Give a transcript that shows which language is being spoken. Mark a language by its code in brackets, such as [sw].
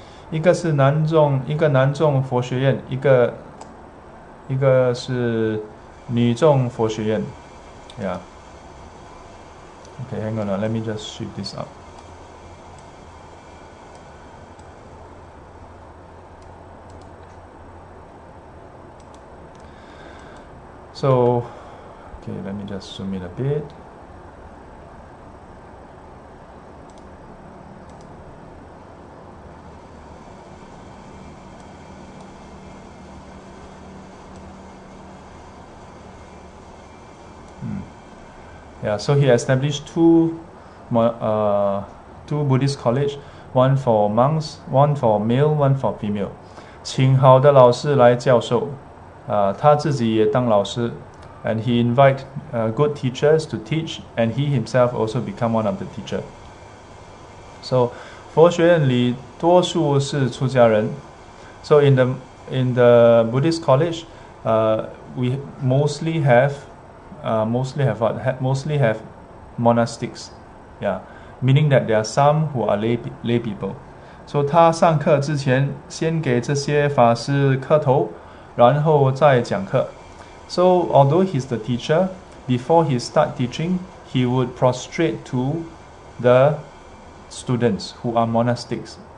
[zh] 一个是南众佛学院, 一个是女众佛学院. Yeah. [en] Okay, hang on, let me just shift this up. So, okay, let me just zoom in a bit. Yeah, so he established two Buddhist college, one for monks, one for male, one for female. [zh] 请好的老师来教授, 他自己也当老师, [en] and he invite good teachers to teach, and he himself also become one of the teacher. [zh] So 佛学院里多数是出家人. [en] So in the Buddhist college, we mostly have mostly have monastics, yeah, meaning that there are some who are lay people. [zh] So 他上课之前先给这些法师磕头，然后再讲课. [en] So although he's the teacher, before he start teaching, he would prostrate to the students who are monastics.